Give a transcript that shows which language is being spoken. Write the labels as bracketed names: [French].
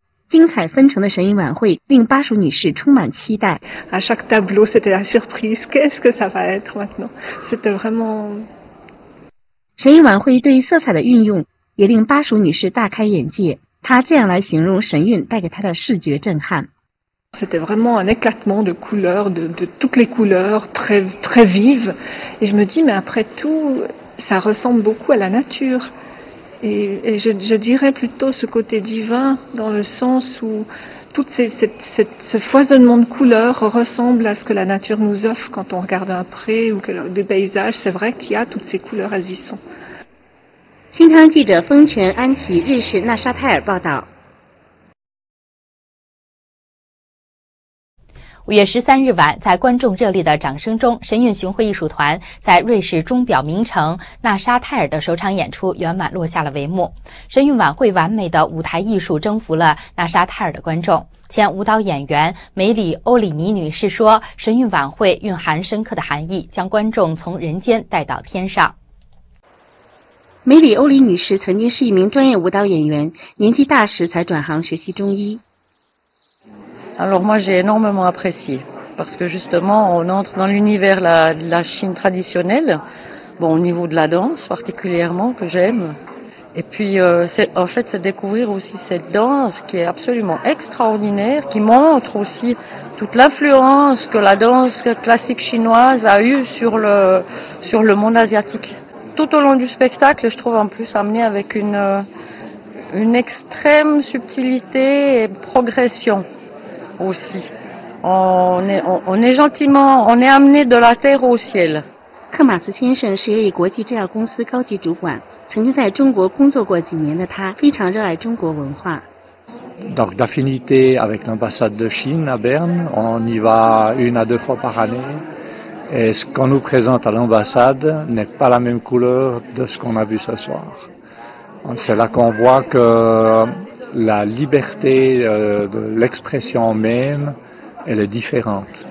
[Chinese] 精彩纷呈的神韵晚会令巴蜀女士充满期待。 [French] À chaque tableau, c'était la surprise. Qu'est-ce que ça va être maintenant? C'était vraiment. [Chinese] 神韵晚会对色彩的运用也令巴蜀女士大开眼界。她这样来形容神韵带给她的视觉震撼。 [French] C'était vraiment un éclatement de couleurs, de toutes les couleurs, très très vives. Et je me dis, mais après tout, ça ressemble beaucoup à la nature. Et je dirais plutôt ce côté divin dans le sens où tout ce foisonnement de couleurs ressemble à ce que la nature nous offre quand on regarde un pré ou des paysages. C'est vrai qu'il y a toutes ces couleurs, elles y sont. [Chinese] 新唐记者风泉安琪，瑞士纳沙泰尔报道。 5月13日晚，在观众热烈的掌声中，神韵巡回艺术团在瑞士钟表名城纳沙泰尔的首场演出圆满落下了帷幕。神韵晚会完美的舞台艺术征服了纳沙泰尔的观众。前舞蹈演员梅里·欧里尼女士说，神韵晚会蕴含深刻的含义，将观众从人间带到天上。梅里·欧里女士曾经是一名专业舞蹈演员，年纪大时才转行学习中医。 [French] Alors moi j'ai énormément apprécié parce que justement on entre dans l'univers de la Chine traditionnelle, bon au niveau de la danse particulièrement que j'aime, et puis c'est, en fait c'est découvrir aussi cette danse qui est absolument extraordinaire, qui montre aussi toute l'influence que la danse classique chinoise a eue sur le monde asiatique. Tout au long du spectacle je trouve en plus amené avec une extrême subtilité et progression. Aussi. On est amené de la terre au ciel. [Chinese] 克马斯先生是一位国际制药公司高级主管，曾经在中国工作过几年的他，非常热爱中国文化。 [French] Donc d'affinité avec l'ambassade de Chine à Berne, on y va une à deux fois par année. Et ce qu'on nous présente à l'ambassade n'est pas la même couleur de ce qu'on a vu ce soir. C'est là qu'on voit que. La liberté de l'expression même, elle est différente.